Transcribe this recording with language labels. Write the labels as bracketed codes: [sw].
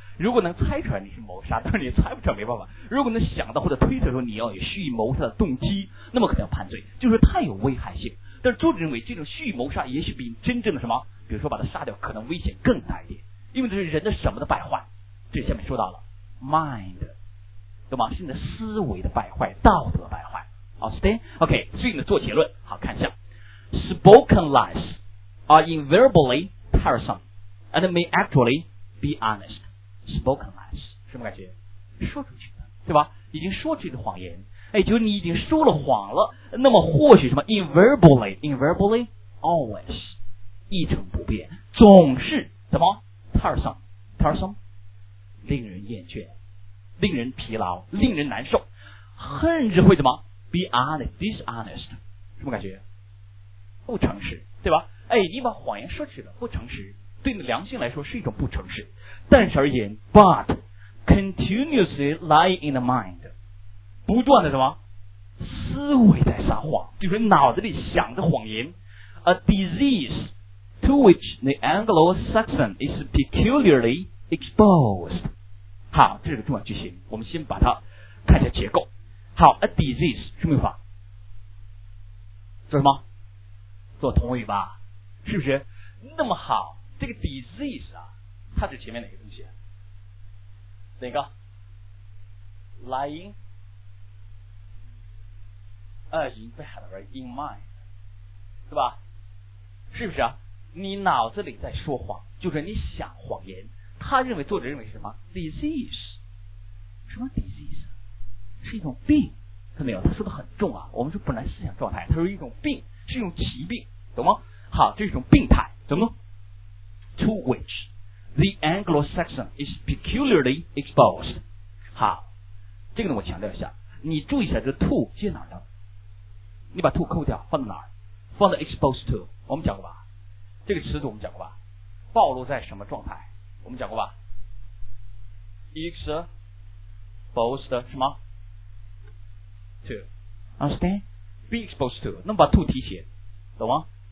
[zh] 如果能猜出来你是谋杀，但是你猜不出来没办法。如果能想到或者推测说你要有蓄意谋杀的动机，那么可能要判罪，就是太有危害性。但是作者认为这种蓄意谋杀也许比真正的什么，比如说把他杀掉，可能危险更大一点，因为这是人的什么的败坏，这下面说到了 mind， 对吗？是你的思维的败坏，道德败坏 ，understand？ [en] OK， [zh] 所以呢做结论，好看一下 [en] ，spoken lies are invariably tiresome and may actually be honest。 spoken lies [zh] 什么感觉？说出去的，对吧？已经说出去的谎言，哎，就是你已经说了谎了，那么或许什么 [en] invariably always。 [zh] 一成不变，总是怎么 tiresome 令人厌倦，令人疲劳，令人难受，甚至会怎么 [en] be honest dishonest， [zh] 什么感觉？不诚实，对吧？哎，你把谎言说出去了，不诚实，对你的良心来说是一种不诚实。但是而言 [en] but continuously lying in the mind， [zh] 不断的什么思维在撒谎，就是脑子里想着谎言， [en] a diseaseto which the Anglo-Saxon is peculiarly exposed。 [zh] 好，这是个重要句型，我们先把它看一下结构。好， a disease 什么语法？做什么？做同位吧，是不是？那么好，这个 disease 啊，它是前面哪个东西？哪个 [en] lying in bed or in mind， [zh] 是吧？是不是啊？你脑子里在说谎，就是你想谎言。他认为，作者认为是什么 disease， 什么 disease， 是一种病，看到没有，他说的很重啊，我们说本来思想状态，他说一种病，是一种疾病，懂吗？好，这是一种病态，懂吗？ [en] To which the Anglo-Saxon is peculiarly exposed。 [zh] 好，这个呢我强调一下，你注意一下这 to 接哪儿的，你把 to 扣掉放在哪儿，放在 exposed to， 我们讲过吧，这个词组我们讲过吧，暴露在什么状态我们讲过吧， exposed 什么 to， understand， [en] be exposed to， [zh] 那么把 to 提前，懂吗？